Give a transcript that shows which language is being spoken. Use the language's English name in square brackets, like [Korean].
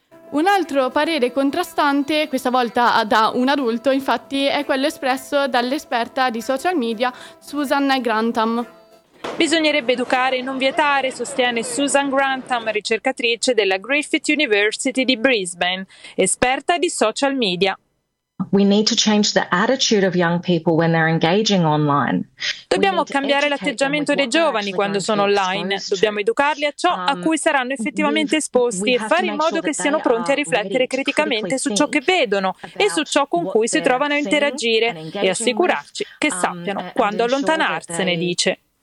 [Italian] Un altro parere contrastante, questa volta da un adulto, infatti, è quello espresso dall'esperta di social media Susan Grantham. Bisognerebbe educare e non vietare, sostiene Susan Grantham, ricercatrice della Griffith University di Brisbane, esperta di social media. [English] We need to change the attitude of young people when they're engaging online. [Italian] Dobbiamo cambiare l'atteggiamento dei giovani quando sono online. Dobbiamo educarli a ciò a cui saranno effettivamente esposti e fare in modo che siano pronti a riflettere criticamente su ciò che vedono e su ciò con cui si trovano a interagire e assicurarci che sappiano quando allontanarsene, dice.